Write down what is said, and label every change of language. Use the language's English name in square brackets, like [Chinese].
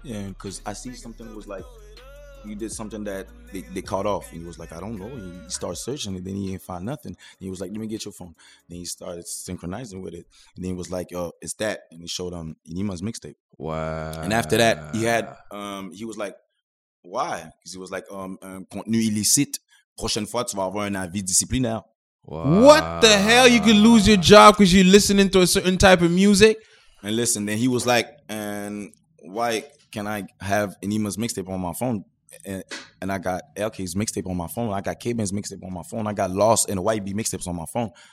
[English] Yeah, because I see something was like, you did something that they caught off. And he was like, I don't know. He started searching, and then he didn't find nothing. And he was like, let me get your phone. Then he started synchronizing with it. And then he was like, oh, it's that. And he showed him Enima's mixtape. Wow. And after that, he had, he was like, why? Because he was like, [French] contenu illicite. Prochaine fois, tu vas avoir un avis disciplinaire. [English] What the hell? You could lose your job because you're listening to a certain type of music? And listen, then he was like, and why can I have Enima's mixtape on my phone? And I got LK's mixtape on my phone. I got K-Ben's mixtape on my phone. I got Lost and YB mixtapes on my phone.